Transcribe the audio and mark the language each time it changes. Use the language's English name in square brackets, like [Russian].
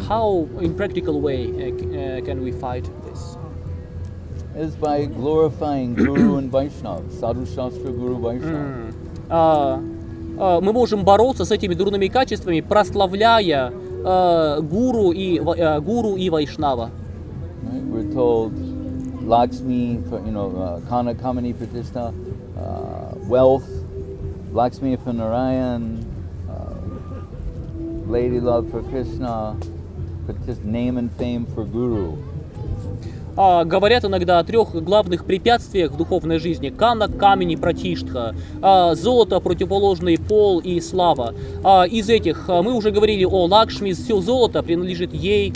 [English] How, in practical way, can we fight this? Is by glorifying Guru and Vaishnav, Sadhu Shastra Guru Vaishnav. Mm. [Russian] Мы можем бороться с этими дурными качествами, прославляя гуру и гуру и Вайшнава. [English] We're told Lakshmi, for, you know, Kana Kamini Pratishtha, wealth, Lakshmi for Narayan, lady love for Krishna, Pratishtha, name and fame for Guru. [Russian] Говорят иногда о трех главных препятствиях в духовной жизни. Кана, камень и пратиштха. Золото, противоположный пол и слава. Из этих мы уже говорили о Лакшми. Все золото принадлежит ей.